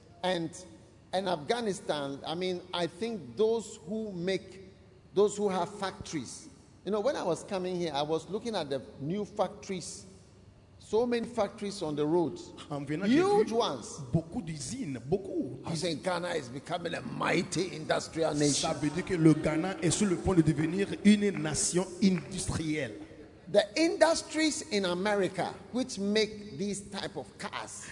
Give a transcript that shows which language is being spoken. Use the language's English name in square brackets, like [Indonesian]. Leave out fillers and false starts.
[English] And in Afghanistan, I mean, I think those who have factories. You know, when I was coming here, I was looking at the new factories. So many factories on the roads. Huge ones. [French] Beaucoup d'usines, beaucoup. [English] You say Ghana is becoming a mighty industrial nation. [French] Ça veut dire que le Ghana est sur le point de devenir une nation industrielle. [English] The industries in America which make these type of cars.